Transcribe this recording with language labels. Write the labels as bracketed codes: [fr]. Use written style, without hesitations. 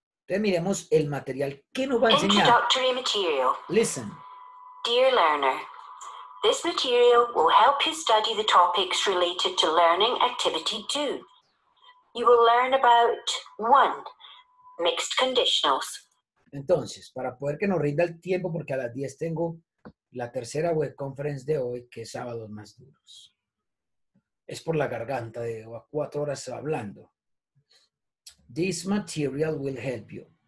[es] Entonces miremos el material que nos va a enseñar. [en] Introductory material. Listen. Dear learner, this material will help you study the topics related to learning activity 2. You will learn about 1. Mixed conditionals. [es] Entonces, para poder que nos rinda el tiempo, porque a las 10 tengo la tercera web conference de hoy, que es Sábados Más Duros. Es por la garganta, llevo 4 horas hablando. [en] This material will help you.